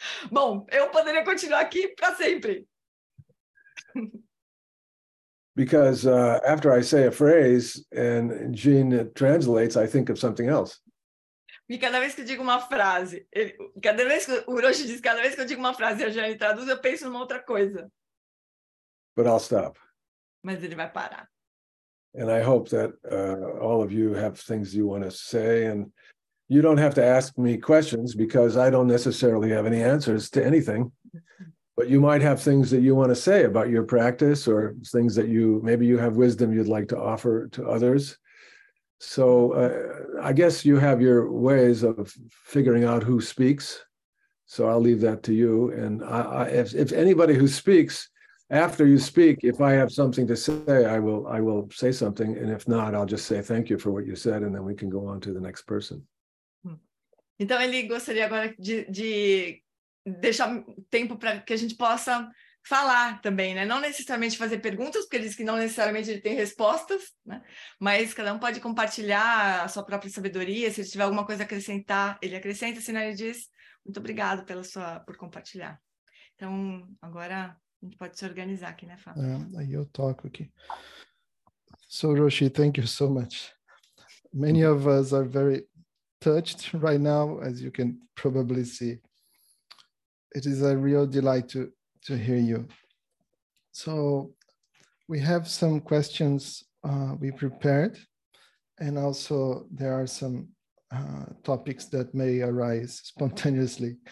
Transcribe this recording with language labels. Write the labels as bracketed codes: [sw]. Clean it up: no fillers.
[pt] Bom, eu poderia continuar aqui para sempre. [en] Because after I say a phrase and Jean translates, I think of something else. [pt] E cada vez que eu digo uma frase, o Roshi diz, cada vez que eu digo uma frase e a Jeanne traduz, eu penso numa outra coisa. [en] But I'll stop. [pt] Mas ele vai parar. [en] And I hope that all of you have things you want to say, and you don't have to ask me questions because I don't necessarily have any answers to anything. But you might have things that you want to say about your practice or things that you, maybe you have wisdom you'd like to offer to others. So I guess you have your ways of figuring out who speaks. So I'll leave that to you. And if anybody who speaks, after you speak, if I have something to say, I will say something. And if not, I'll just say thank you for what you said. And then we can go on to the next person. [pt] Então ele gostaria agora de deixar tempo para que a gente possa falar também, né? Não necessariamente fazer perguntas, porque ele diz que não necessariamente ele tem respostas, né? Mas cada um pode compartilhar a sua própria sabedoria. Se ele tiver alguma coisa a acrescentar, ele acrescenta. Se não, ele diz, muito obrigado pela sua, por compartilhar. Então, agora a gente pode se organizar aqui, né, Fábio? Aí eu toco aqui. [en] So, Roshi, thank you so much. Many of us are very touched right now, as you can probably see. It is a real delight to hear you. So we have some questions we prepared, and also there are some topics that may arise spontaneously.